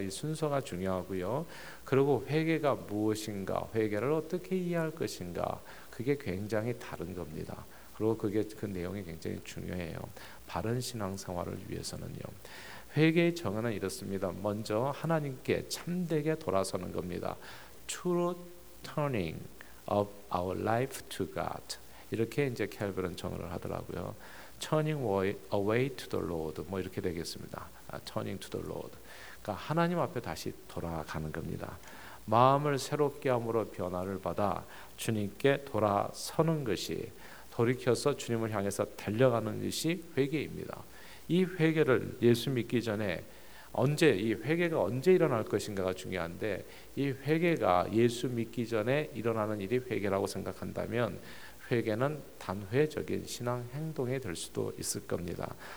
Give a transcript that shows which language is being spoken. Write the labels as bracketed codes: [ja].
[ko] 이 순서가 중요하고요. 그리고 회개가 무엇인가, 회개를 어떻게 이해할 것인가, 그게 굉장히 다른 겁니다. 그리고 그게 그 내용이 굉장히 중요해요. 바른 신앙 생활을 위해서는요. 회개의 정의는 이렇습니다. 먼저 하나님께 참되게 돌아서는 겁니다. [en] True turning of our life to God. [ko] 이렇게 이제 캘빈은 정의를 하더라고요. [en] Turning away to the Lord, [ko] 뭐 이렇게 되겠습니다. [en] Turning to the Lord, [ko] 그러니까 하나님 앞에 다시 돌아가는 겁니다. 마음을 새롭게 함으로 변화를 받아 주님께 돌아서는 것이, 돌이켜서 주님을 향해서 달려가는 것이 회개입니다. 이 회개를 예수 믿기 전에 언제, 이 회개가 언제 일어날 것인가가 중요한데, 이 회개가 예수 믿기 전에 일어나는 일이 회개라고 생각한다면 회개는 단회적인 신앙 행동이 될 수도 있을 겁니다.